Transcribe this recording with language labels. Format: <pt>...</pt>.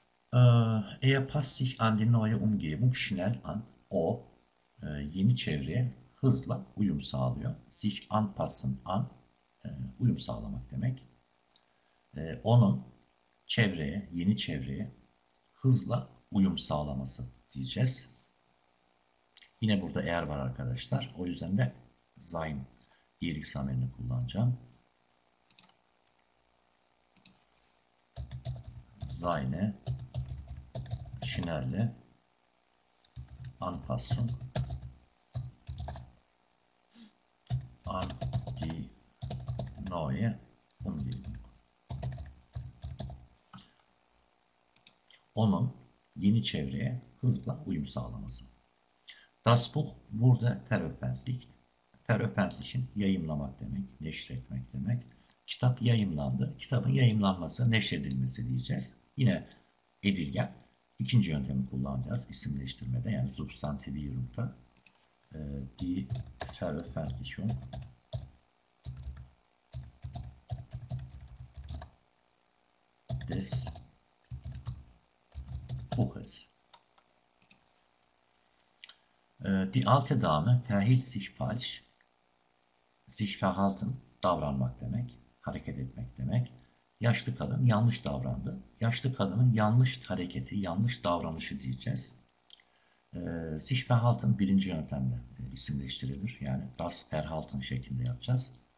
<de>Er passt sich an die neue Umgebung schnell an.</de> <tr>O yeni çevreye hızla uyum sağlıyor.</tr> <de>Sich anpassen an</de> <tr>uyum sağlamak demek. Onun çevreye, yeni çevreye hızla uyum sağlaması diyeceğiz. Yine burada eğer var arkadaşlar. O yüzden de sein iyilik zamirini kullanacağım.</tr> <de>Seine schnelle Anpassung an die neue Umgebung.</de> <tr>Onun yeni çevreye hızla uyum sağlaması.</tr> <de>Das Buch wurde veröffentlicht.</de> <tr>Veröffentlichen yayımlamak demek, neşretmek demek. Kitap yayımlandı. Kitabın yayımlanması, neşredilmesi diyeceğiz. Yine edilgen. İkinci yöntemi kullanacağız isimleştirmede. Yani substantivierung'da.</tr> <de>Die Veröffentlichung des Buches. Die alte Dame verhielt sich falsch. Sich verhalten,</de> <tr>davranmak demek. Hareket etmek demek. Yaşlı kadın yanlış davrandı. Yaşlı kadının yanlış hareketi, yanlış davranışı diyeceğiz.</tr> <de>Sich verhalten</de> <tr>birinci yöntemle isimleştirilir. Yani</tr> <de>das verhalten</de> <tr>şeklinde yapacağız.</tr>